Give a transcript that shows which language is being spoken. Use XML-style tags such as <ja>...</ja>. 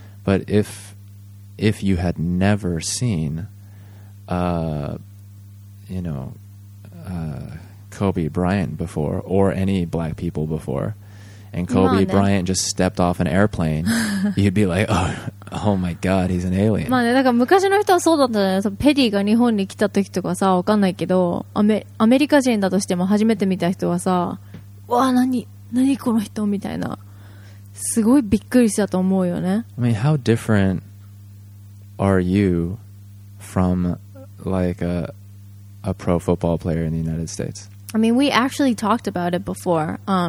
<en>But if you had never seen, Kobe Bryant before, or any black people before, and Kobe Bryant just stepped off an airplane, you'd be like, oh my god, he's an alien.</en> <ja>まあね、だから昔の人はそうだったね。ペディが日本に来た時とかさ、わかんないけど、アメリカ人だとしても初めて見た人はさ、わあ、何この人みたいな、すごいびっくりしたと思うよね。</ja> <en>I mean, how different are you from like a pro football player in the United States? I mean, we actually talked about it before.</en>